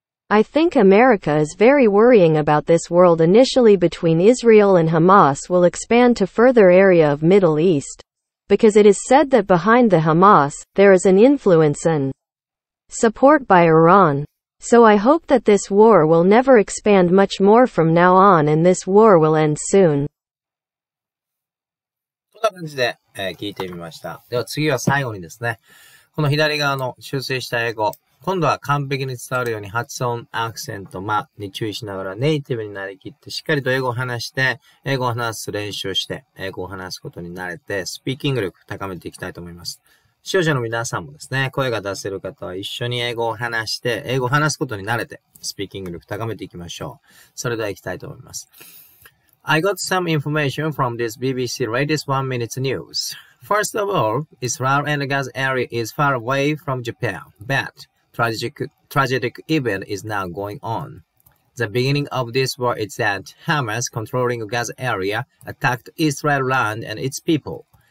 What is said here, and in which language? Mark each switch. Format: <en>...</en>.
<en>I think America is very worrying about this world initially between Israel and Hamas will expand to further area of Middle East. Because it is said that behind the Hamas, there is an influence and support by Iran. So I hope that this war will never expand much more from now on and this war will end soon.</en> <ja>こんな感じで、聞いてみました。では次は最後にですね、この左側の修正した英語。今度は完璧に伝わるように発音、アクセント、間に注意しながらネイティブになりきってしっかりと英語を話して、英語を話す練習をして、英語を話すことに慣れて、スピーキング力高めていきたいと思います。視聴者の皆さんもですね、声が出せる方は一緒に英語を話して、英語を話すことに慣れて、スピーキング力高めていきましょう。それでは行きたいと思います。</ja> <en>I got some information from this BBC latest one minute news. First of all, Israel and Gaza area is far away from Japan, but... Tragic event is now going on. The beginning of this war is that Hamas, controlling Gaza area, attacked Israel land and its people.</en>